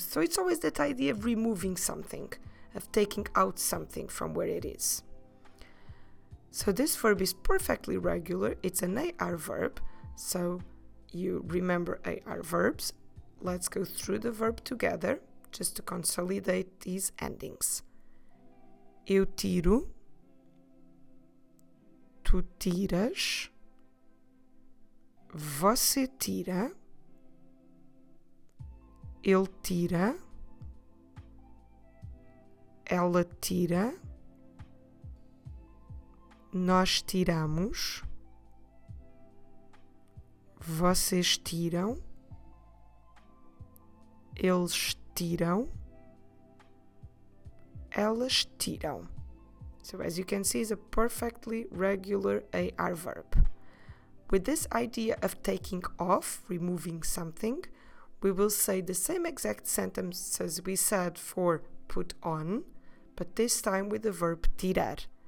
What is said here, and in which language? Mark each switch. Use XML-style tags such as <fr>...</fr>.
<en>So, it's always that idea of removing something, of taking out something from where it is. So this verb is perfectly regular, it's an AR verb, so you remember AR verbs. Let's go through the verb together, just to consolidate these endings.</en> <pt>Eu tiro, tu tiras, você tira, ele tira, ela tira, nós tiramos, vocês tiram, eles tiram, elas tiram.</pt> <en>So as you can see, it's a perfectly regular AR verb. With this idea of taking off, removing something, we will say the same exact sentences as we said for put on, but this time with the verb tirar.</en>